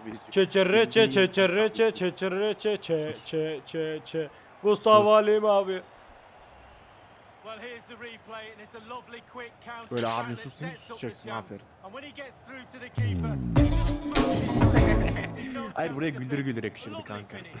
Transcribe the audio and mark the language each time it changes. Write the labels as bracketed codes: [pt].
[tr] Çeçerre çe çeçerre çe çeçerre çe çe çe çe çe. Gustav Alim abi. [en] Well, here's the replay, and it's a lovely, quick counter. [tr] Böyle abi sus, aferin. [en] And when he gets through to the keeper, [tr] hayır, buraya güldür güldür yakışırdı kanka.